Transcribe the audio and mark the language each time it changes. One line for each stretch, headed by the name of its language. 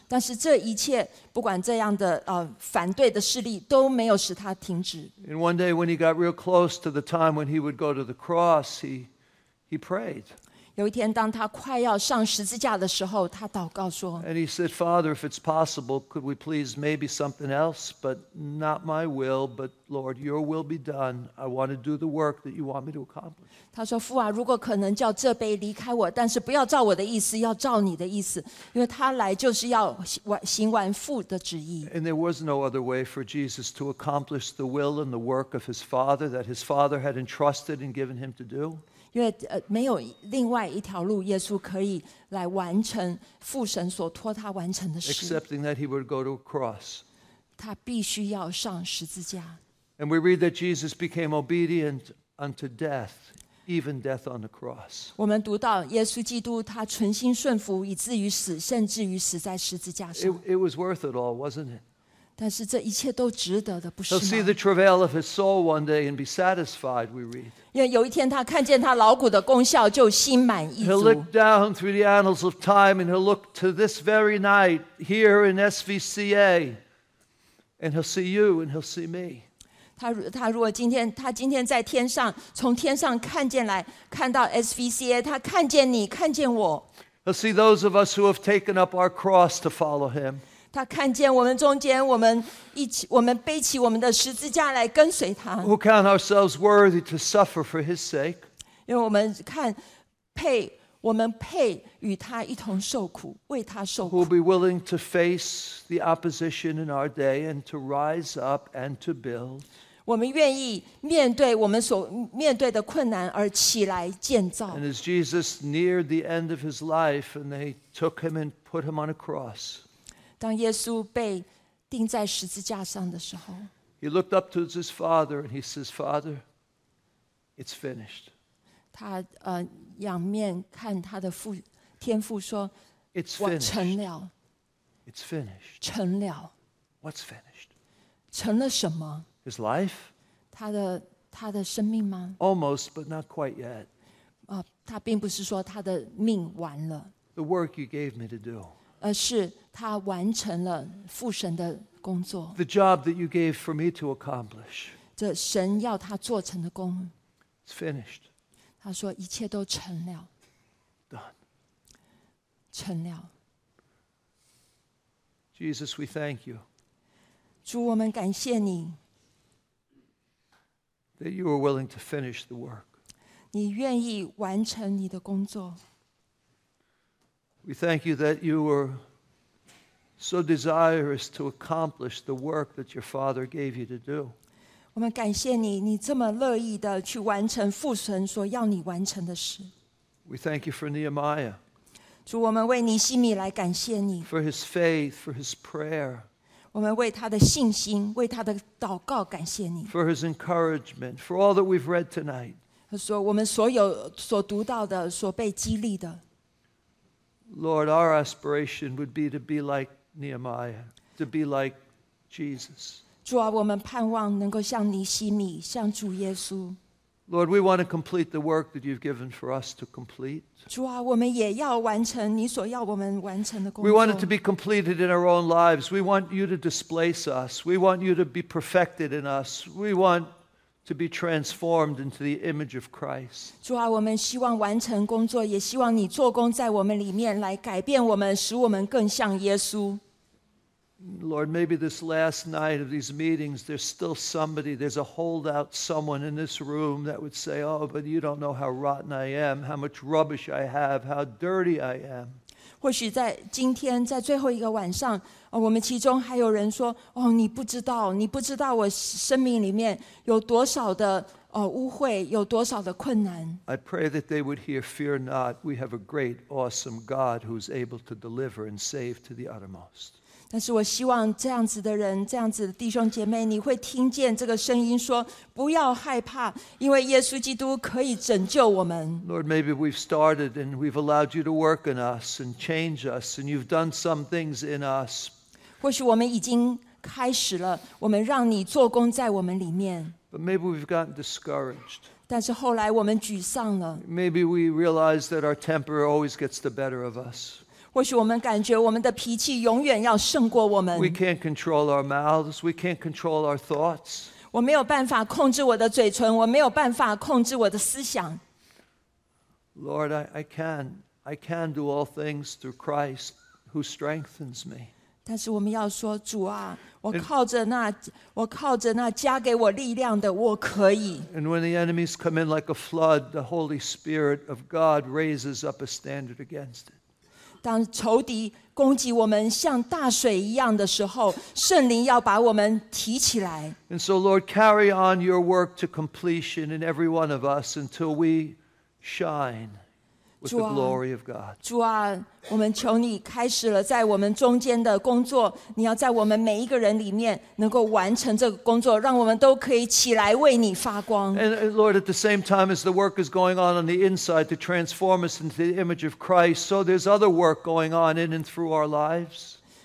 Chinese: 但是这一切不管这样的反对的势力都没有使他停止。
English: And one day when he got real close to the time when he would go to the cross, he prayed.
Chinese: 有一天当他快要上十字架的时候他祷告说。
English: And he said, Father, if it's possible, could we please maybe something else, but not my will, but Lord, your will be done. I want to do the work that you want me to accomplish.
Chinese: 他说父啊如果可能叫这杯离开我但是不要照我的意思要照你的意思因为他来就是要行完父的旨意。
English: And there was no other way for Jesus to accomplish the will and the work of his father that his father had entrusted and given him to do.
Chinese: 因为没有另外一条路耶稣可以来完成父神所托他完成的事
English: Accepting that he would go to a cross.
Chinese: 他必须要上十字架
English: And we read that Jesus became obedient unto death, even death on the cross.
Chinese: 我们读到耶稣基督他存心顺服以至于死甚至于死在十字架上
English: It was worth it all, wasn't it?
Chinese: 但是这一切都值得的不是吗
English: He'll see the travail of his soul one day and be satisfied, we read.
Chinese: 因为有一天他看见他劳苦的功效就心满意足
English: He'll look down through the annals of time and he'll look to this very night here in SVCA and he'll see you and he'll see me
Chinese: 他如果今天在天上从天上看见来看到 SVCA 他看见你看见我
English: He'll see those of us who have taken up our cross to follow him
Chinese: 他看见我们中间我们一起我们背起我们的十字架来跟随他
English: who count ourselves worthy to suffer for his sake
Chinese: 因为我们看配我们配与他一同受苦为他受苦
English: who will be willing to face the opposition in our day and to rise up and to build
Chinese: 我们愿意面对我们所面对的困难而起来建造
English: and as Jesus neared the end of his life and they took him and put him on a cross
Chinese: 当耶稣被钉在十字架上的时候
English: He looked up to his father and he says, Father, it's finished.
Chinese: 他仰面看他的父天父说
English: It's finished.
Chinese: 我成了
English: It's finished.
Chinese: 成了
English: What's finished?
Chinese: 成了什么
English: His life?
Chinese: 他的生命吗
English: Almost, but not quite yet.
Chinese: 他并不是说他的命完了
English: The work you gave me to do.
Chinese: 而是他完成了父神的工作
English: The job that you gave for me to accomplish
Chinese: 这神要他做成的工
English: It's finished
Chinese: 他说一切都成了
English: Done
Chinese: 成了
English: Jesus we thank you
Chinese: 主我们感谢你
English: That you are willing to finish the work
Chinese: 你愿意完成你的工作
English: We thank you that you were so desirous to accomplish the work that your father gave you to do.
Chinese: 我们感谢你，你这么乐意的去完成父神所要你完成的事。
English: We thank you for Nehemiah.
Chinese: 主，我们为尼希米来感谢你。
English: For his faith, for his prayer.
Chinese: 我们为他的信心，为他的祷告感谢你。
English: For his encouragement, for all that we've read tonight.
Chinese: 说我们所有所读到的，所被激励的。
English: Lord, our aspiration would be to be like Nehemiah, to be like Jesus.
Chinese: 主啊，我们盼望能够像尼希米，像主耶稣。
English: Lord, we want to complete the work that you've given for us to complete.
Chinese: 主啊，我们也要完成你所要我们完成的工作。
English: We want it to be completed in our own lives. We want you to displace us. We want you to be perfected in us. We want to be transformed into the image of Christ.
Chinese: 主啊，我们希望完成工作，也希望你做工在我们里面，来改变我们，使我们更像耶稣。
English: Lord, maybe this last night of these meetings, there's still somebody, there's a holdout someone in this room that would say, oh, but you don't know how rotten I am, how much rubbish I have, how dirty I am.
Chinese: 或许在今天，在最后一个晚上，我们其中还有人说，哦，你不知道，你不知道我生命里面有多少的污秽，有多少的困难。
English: I pray that they would hear, fear not, we have a great, awesome God who's able to deliver and save to the uttermost.
Chinese: 但是我希望这样子的人，这样子的弟兄姐妹，你会听见这个声音说，不要害怕，因为耶稣基督可以拯救我们。
English: Lord, maybe we've started and we've allowed you to work in us and change us and you've done some things in us.
Chinese: 或许我们已经开始了，我们让你做工在我们里面。
English: But maybe we've gotten discouraged.
Chinese: 但是后来我们沮丧了。
English: Maybe we realize that our temper always gets the better of us.
Chinese: 或许我们感觉我们的脾气永远要胜过我们。
English: We can't control our mouths. We can't control our thoughts.
Chinese: 我没有办法控制我的嘴唇，我没有办法控制我的思想。
English: Lord, I can do all things through Christ who strengthens me.
Chinese: 但是我们要说，主啊，我靠着那，我靠着那加给我力量的，我可以。
English: And when the enemies come in like a flood, the Holy Spirit of God raises up a standard against it.
Chinese: 当仇敌攻击我们像大水一样的时候，圣灵要把我们提起来。
English: And so, Lord, carry on your work to completion in every one of us until we shine with the glory of God.
Chinese: 主啊，我们求你开始了在我们中间的工作，你要在我们每一个人里面能够完成这个工作，让我们都可以起来为你发光。
English: And Lord, at the same time as the work is going on the inside to transform us into the image of Christ, so there's other work going on in and through our lives.